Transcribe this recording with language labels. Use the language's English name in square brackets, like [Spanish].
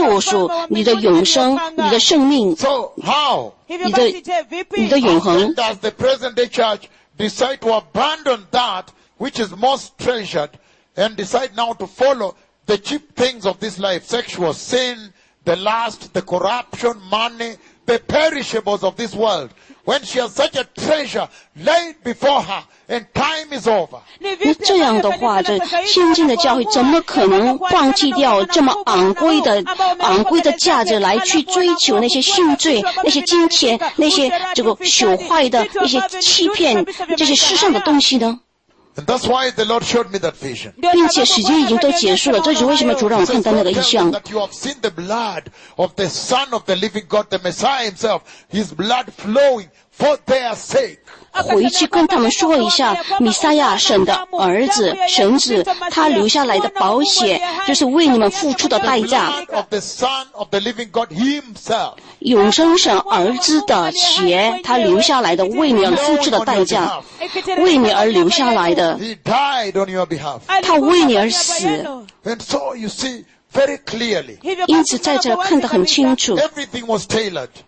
[Chinese] 这就是父神多么细致的预备好了你的救赎、你的永生、你的生命。 [English] So how? [Chinese] 你的永恒。 [English] And does the present day church decide to abandon that which is most treasured and decide now to follow the cheap things of this life, sexual sin, the lust, the corruption, money, the perishables of this world? When she has such a treasure laid before her, and time is over. [Chinese] 那这样的话，这现今的教会怎么可能放弃掉这么昂贵的价值来去追求那些性罪、那些金钱、那些这个朽坏的、那些欺骗、这些世上的东西呢？ [English] And that's why the Lord showed me that vision. [Chinese] 并且时间已经都结束了，这就是为什么主让我看到那个异象。 [English] That you have seen the blood of the Son of the Living God, the Messiah Himself, His blood flowing for their sake. [Chinese] 回去跟他们说一下，弥赛亚神的儿子、神子，他留下来的宝血，就是为你们付出的代价。 [English] The blood of the Son of the Living God Himself. [Chinese] 永生神儿子的血，他留下来的为你们付出的代价，为你而留下来。 [English] He died on your behalf. [Chinese] 他为你而死。 [English] And so you see very clearly. [Chinese] 因此在这看得很清楚。 [English] Everything was tailored.